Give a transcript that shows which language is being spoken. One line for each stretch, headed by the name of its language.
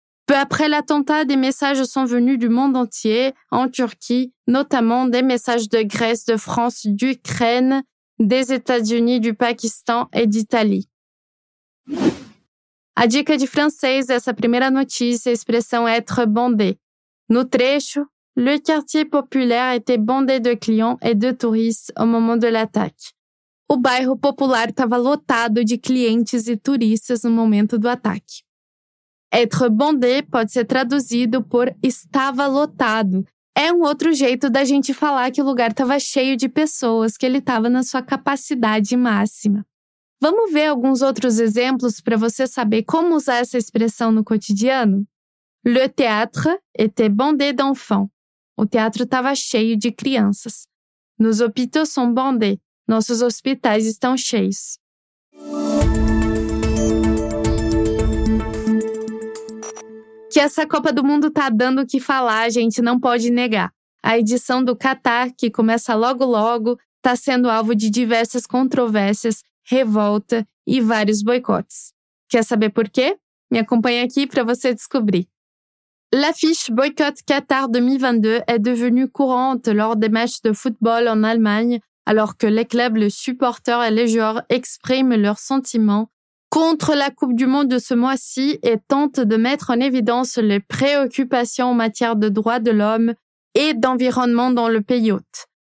French: Peu après l'attentat, des messages sont venus du monde entier, en Turquie, notamment des messages de Grèce, de France, d'Ukraine, des États-Unis, du Pakistan et d'Italie.
Portuguese: A dica de français, essa primeira notícia, a expressão « être bondé ». No trecho,
French: le quartier populaire était bondé de clients et de touristes au moment de l'attaque.
Portuguese: O bairro popular estava lotado de clientes e turistas no momento do ataque. Être bondé pode ser traduzido por estava lotado. É um outro jeito da gente falar que o lugar estava cheio de pessoas, que ele estava na sua capacidade máxima. Vamos ver alguns outros exemplos para você saber como usar essa expressão no cotidiano?
French: Le théâtre était bondé d'enfants.
Portuguese: O teatro estava cheio de crianças.
French: Nos hôpitaux sont bondés.
Portuguese: Nossos hospitais estão cheios. Que essa Copa do Mundo tá dando o que falar, a gente não pode negar. A edição do Qatar, que começa logo logo, tá sendo alvo de diversas controvérsias, revolta e vários boicotes. Quer saber por quê? Me acompanha aqui para você descobrir.
French: L'affiche Boycott Qatar 2022 est devenue courante lors des matchs de football en Allemagne, alors que les clubs, les supporters et les joueurs expriment leurs sentiments contre la Coupe du Monde de ce mois-ci et tente de mettre en évidence les préoccupations en matière de droits de l'homme et d'environnement dans le pays hôte.